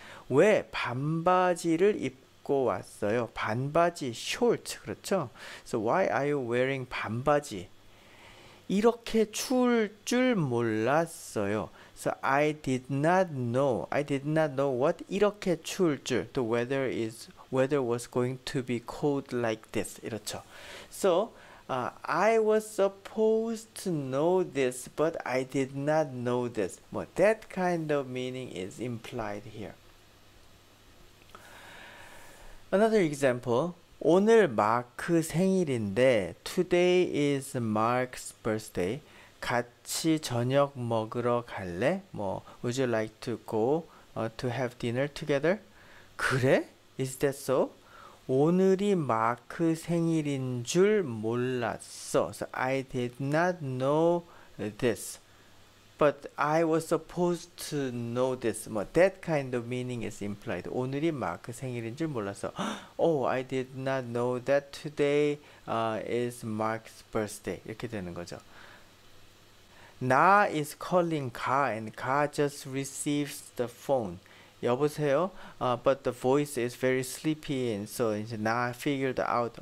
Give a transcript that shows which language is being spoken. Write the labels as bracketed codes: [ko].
[ko] 왜 반바지를 입고 왔어요? 반바지 [en] short [ko] 그렇죠? [en] So why are you wearing 반바지? [ko] 이렇게 추울 줄 몰랐어요. [en] So I did not know what [ko] 이렇게 추울 줄. [en] The weather was going to be cold like this. [ko] 이렇죠. [en] So I was supposed to know this, but I did not know this. Well, that kind of meaning is implied here. Another example. [ko] 오늘 마크 생일인데, [en] today is Mark's birthday. [ko] 같이 저녁 먹으러 갈래? 뭐, [en] would you like to go to have dinner together? [ko] 그래? [en] Is that so? [ko] 오늘이 마크 생일인 줄 몰랐어. [en] So I did not know this. But I was supposed to know this. That kind of meaning is implied. [ko] 오늘이 마크 생일인 줄 몰랐어. [en] Oh, I did not know that today is Mark's birthday. [ko] 이렇게 되는 거죠. [en] 나 is calling 가 and 가 just receives the phone. [ko] 여보세요? [en] But the voice is very sleepy and so [ko] 이제 [en] 나 figured out.